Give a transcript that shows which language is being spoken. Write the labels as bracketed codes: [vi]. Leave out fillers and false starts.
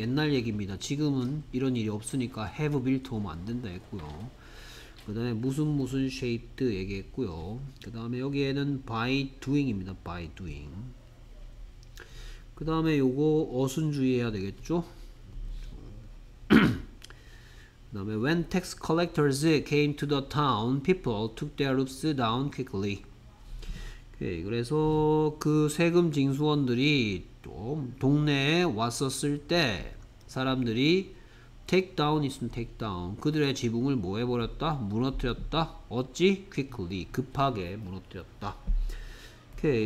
[ko] 옛날 얘기입니다. 지금은 이런 일이 없으니까 have built 오면 안 된다 했고요. 그 다음에 무슨 무슨 shaped 얘기했고요. 그 다음에 여기에는 by doing입니다. by doing. 그 다음에 요거 어순 주의해야 되겠죠? [en] 다음에 when tax collectors came to the town, people took their roofs down quickly. [ko] 오케이. 그래서 그 세금 징수원들이 좀 동네에 왔었을 때 사람들이 테이크다운 있으면 테이크다운. 그들의 지붕을 뭐 해버렸다? 무너뜨렸다. 어찌? quickly. 급하게 무너뜨렸다. 오케이.